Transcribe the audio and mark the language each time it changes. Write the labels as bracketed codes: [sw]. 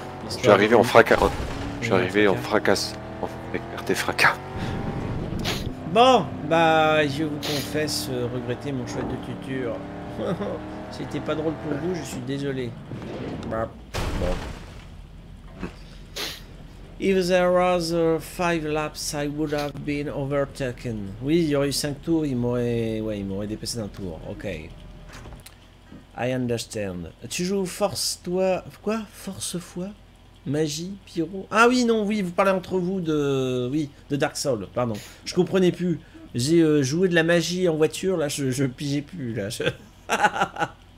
[fr] Je suis arrivé en fracas. Je suis arrivé en fracas. RT fracas. Bon, bah, je vous confesse regretter mon choix de tuture. C'était pas drôle pour vous, je suis désolé. Bon. [en] If there was 5 laps, I would have been overtaken. [fr] Oui, il y aurait eu 5 tours, il m'aurait dépassé d'un tour. Ok. [en] I understand. [fr] Tu joues Force Toi. Quoi? Force Foi? Magie, pyro. Ah oui, non, oui, vous parlez entre vous de. Oui, de Dark Souls, pardon. Je comprenais plus. J'ai joué de la magie en voiture, là, je pigeais plus, là.